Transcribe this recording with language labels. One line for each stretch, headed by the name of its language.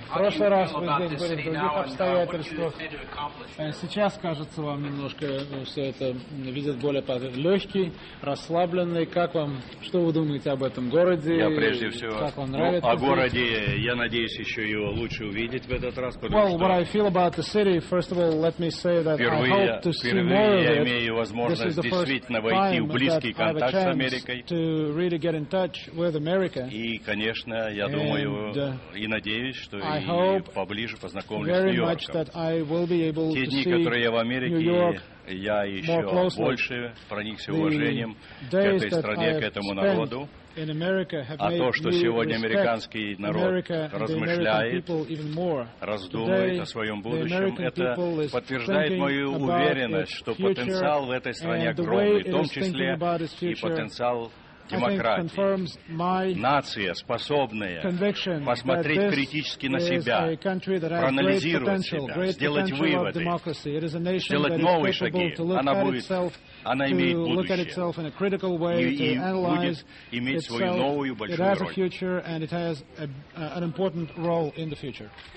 Russian: В прошлый раз вы здесь были в других обстоятельствах. Сейчас кажется вам немножко все это видит более легкий, расслабленный. Как вам, что вы думаете об этом городе? Я прежде всего, как вам нравится? О городе я надеюсь еще его лучше увидеть в этот раз.
English: Well, what I feel about the city, first of all, let me say that I hope to see more of it.
Russian: Я имею возможность действительно войти в близкий контакт с Америкой.
English: To really get in touch with America.
Russian: И, конечно, я думаю и надеюсь, что и поближе познакомлюсь с Нью-Йорком. Те дни, которые я в Америке, я еще больше проникся уважением к этой стране, к этому народу. А то, что сегодня американский народ размышляет, раздумывает о своем будущем, это подтверждает мою уверенность, что потенциал в этой стране огромный, в том числе и потенциал демократии. Нация, способная посмотреть критически на себя, проанализировать себя, сделать выводы, сделать новые шаги, она имеет будущее и будет иметь свою новую большую роль.
English: It has an important role in the future.